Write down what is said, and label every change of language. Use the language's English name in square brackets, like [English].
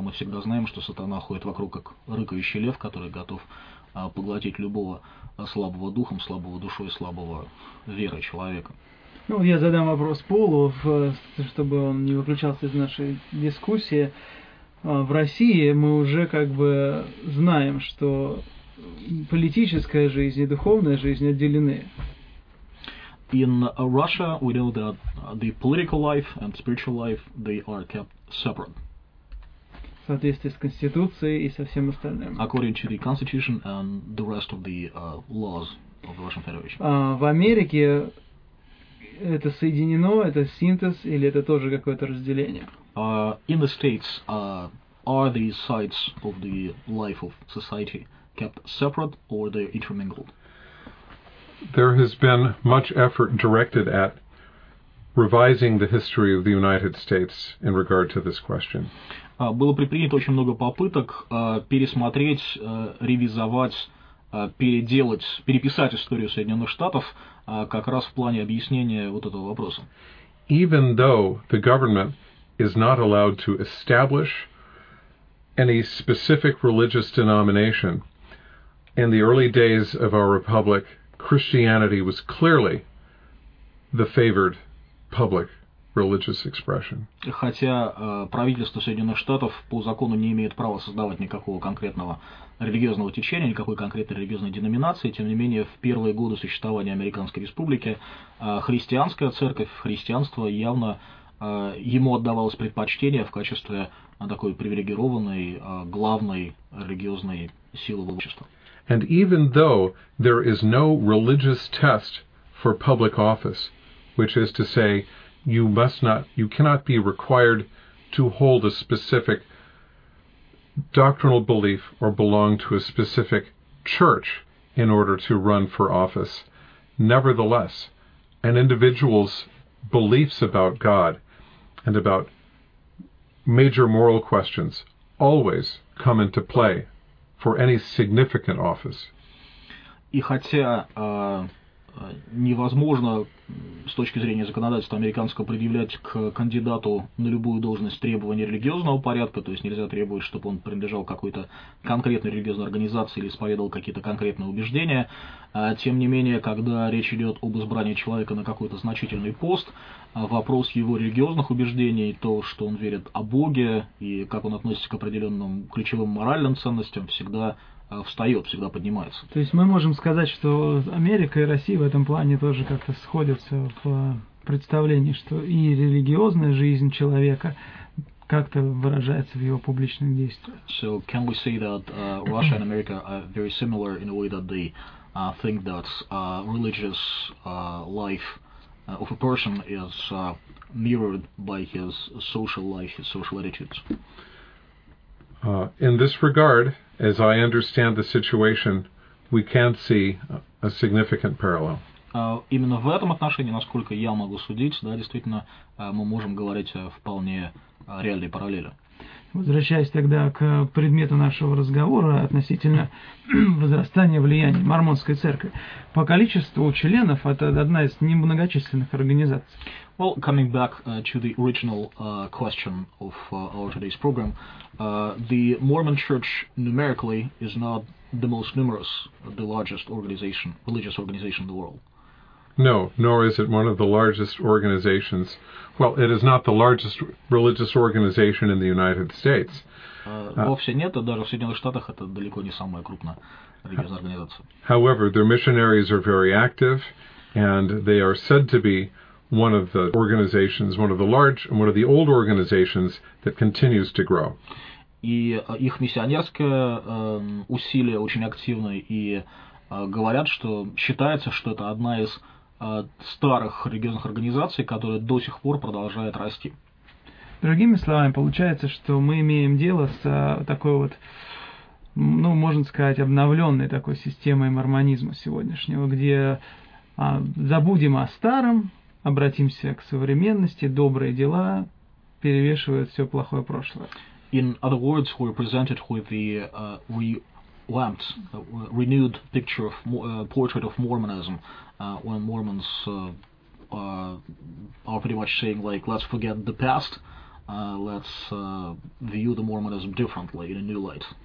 [Russian] Мы всегда знаем, что сатана ходит вокруг как рыкающий лев, который готов поглотить любого слабого духом, слабого душой, слабого верой человека. Ну, я задам вопрос Полу, чтобы он не выключался из нашей дискуссии. В России мы уже как бы знаем, что политическая жизнь и духовная жизнь отделены. [English] In Russia, we know that the political life and spiritual life, they are kept separate. [Russian] В соответствии с Конституцией и со всем остальным. [English] According to the Constitution and the rest of the laws of the Russian Federation. [Russian] В Америке это соединено, это синтез или это тоже какое-то разделение? [English] In the States, are the sides of the life of society kept separate or they intermingled? There has been much effort directed at revising the history of the United States in regard to this question. [Russian] Было предпринято очень много попыток пересмотреть, ревизовать, переделать, переписать историю Соединенных Штатов как раз в плане объяснения вот этого вопроса. [English] Even though the government is not allowed to establish any specific religious denomination, in the early days of our republic, Christianity was clearly the favored public religious expression. [Russian] Хотя правительство Соединенных Штатов по закону не имеет права создавать никакого конкретного религиозного течения, никакой конкретной религиозной деноминации, тем не менее, в первые годы существования Американской Республики христианская церковь, христианство явно ему отдавалось предпочтение в качестве такой привилегированной, главной религиозной силы в обществе. [English] And even though there is no religious test for public office, which is to say, you cannot be required to hold a specific doctrinal belief or belong to a specific church in order to run for office. Nevertheless, an individual's beliefs about God and about major moral questions always come into play for any significant office. [Russian] И хотя невозможно с точки зрения законодательства американского предъявлять к кандидату на любую должность требования религиозного порядка, то есть нельзя требовать, чтобы он принадлежал какой-то конкретной религиозной организации или исповедовал какие-то конкретные убеждения. Тем не менее, когда речь идет об избрании человека на какой-то значительный пост, вопрос его религиозных убеждений, то, что он верит о Боге и как он относится к определенным ключевым моральным ценностям, всегда встает, всегда поднимается. То есть мы можем сказать, что Америка и Россия в этом плане тоже как-то сходятся в представлении, что и религиозная жизнь человека как-то выражается в его публичных действиях. [English] So can we say that Russia and America are very similar in a way that they think that religious life of a person is mirrored by his social life, his social attitudes? In this regard, as I understand the situation, we can see a significant parallel. [Russian] Именно в этом отношении, насколько я могу судить, да, действительно, мы можем говорить о вполне реальной параллели. Возвращаясь тогда к предмету нашего разговора относительно возрастания влияния Мормонской церкви, по количеству членов это одна из немногочисленных организаций. [English] Well, coming back to the original question of our today's program, the Mormon Church numerically is not the most numerous, the largest organization, religious organization in the world. No, nor is it one of the largest organizations. Well, it is not the largest religious organization in the United States. [Russian] Вовсе нет, даже в Соединенных Штатах это далеко не самая крупная религиозная организация. [English] However, their missionaries are very active, and they are said to be one of the organizations, one of the large and one of the old organizations that continues to grow. [Russian] И их миссионерские усилия очень активны, и говорят, что считается, что это одна из старых религиозных организаций, которая до сих пор продолжает расти. Другими словами, получается, что мы имеем дело с такой вот, ну, можно сказать, обновленной такой системой мормонизма сегодняшнего, где забудем о старом, обратимся к современности, добрые дела перевешивают все плохое прошлое. [English] In other words, we're presented with the relamped, renewed picture of portrait of Mormonism. When Mormons are pretty much saying, like, let's forget the past, let's view the Mormonism differently, in a new light.